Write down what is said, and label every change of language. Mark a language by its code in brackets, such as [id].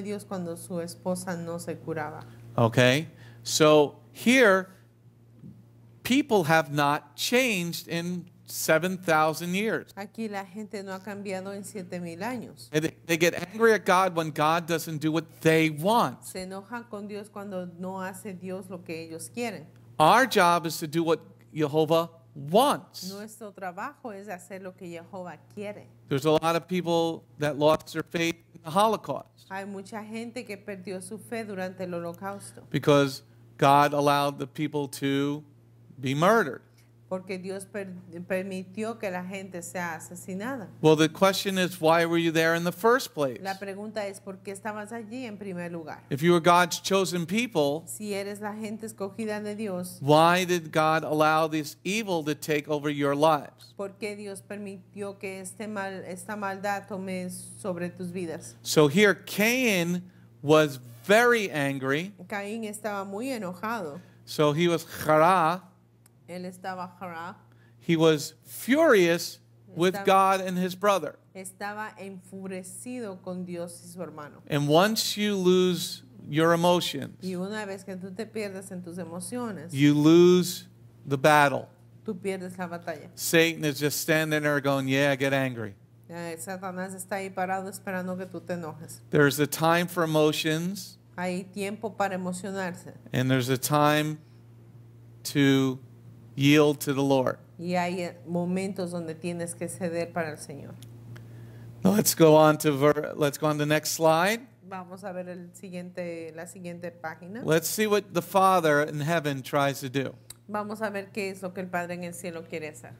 [en] Okay, so here, people have not changed in 7,000 years. [es] Aquí la gente no ha cambiado en 7,000 años. [en] They get angry at God when God doesn't do what they want. [es] Se enojan con Dios cuando no hace Dios lo que ellos quieren. [en] Our job is to do what Yehovah wants. [es] Nuestro trabajo es hacer lo que Jehová quiere. [en] There's a lot of people that lost their faith in the Holocaust. [es] Hay mucha gente que perdió su fe durante el Holocausto. [en] Because God allowed the people to be murdered. [es] Porque Dios permitió que la gente sea asesinada. [en] Well, the question is, why were you there in the first place? [es] La pregunta es, ¿por qué estabas allí en primer lugar? [en] If you were God's chosen people, [es] si eres la gente escogida de Dios, [en] why did God allow this evil to take over your lives? [es] ¿Por qué Dios permitió que este mal, esta maldad tome sobre tus vidas? [en] So here, Cain was very angry. [es] Cain estaba muy enojado. [en] So he was chara. [es] Él estaba jara. [en] He was furious with God and his brother. [es] Estaba enfurecido con Dios y su hermano. [en] And once you lose your emotions, [es] y una vez que tú te pierdes en tus emociones, [en] you lose the battle. [es] Tú pierdes la batalla. [en] Satan is just standing there going, yeah, get angry. [es] Satanás está ahí parado esperando que tú te enojes. [en] There's a time for emotions. [es] Hay tiempo para emocionarse. [en] And there's a time to yield to the Lord. [es] Y hay momentos donde tienes que ceder para el Señor. [en] Let's go on to the next slide. [es] Vamos a ver la siguiente página. [en] Let's see what the Father in heaven tries to do. [es] Vamos a ver qué es lo que el Padre en el cielo quiere hacer.